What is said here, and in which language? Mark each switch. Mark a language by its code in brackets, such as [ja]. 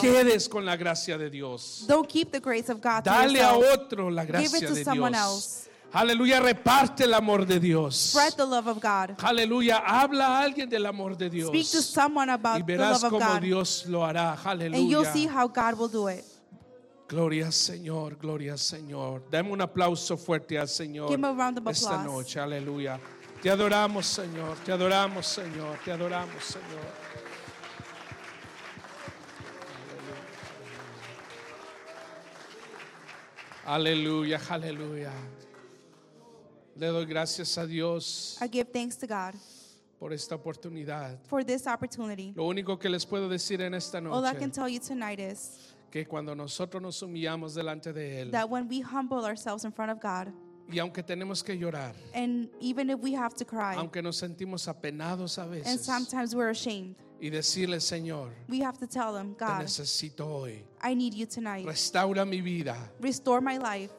[es] No te quedes con la gracia de Dios. [en] Don't keep the grace of God. [es] Dale a otro la gracia de Dios. [en] Give it to someone else. [es] Aleluya, reparte el amor de Dios. [en] Spread the love of God. [es] Aleluya, habla a alguien del amor de Dios. [en] Speak to someone about the love of God. [es] Y verás cómo Dios lo hará. Aleluya. [en] And you'll see how God will do it. [es] Gloria al Señor, gloria al Señor. Dame un aplauso fuerte al Señor. [en] Give him a round of applause. [es] Esta noche, aleluya. Te adoramos, Señor. Te adoramos, Señor. Te adoramos, Señor. Aleluya, aleluya. Le doy gracias a Dios. [en] I give thanks to God [es] por esta oportunidad. [en] For this opportunity. [es] Lo único que les puedo decir en esta noche. [en] All I can tell you tonight is [es] que cuando nosotros nos humillamos delante de él. [en] That when we humble ourselves in front of God. [es] Y aunque tenemos que llorar. [en] And even if we have to cry. [es] Aunque nos sentimos apenados a veces. [en] And sometimes we're ashamed. [es] Y decirle, Señor, [en] we have to tell him, God, [es] te necesito hoy. [en] I need you tonight. [es] Restaura mi vida. [en] Restore my life.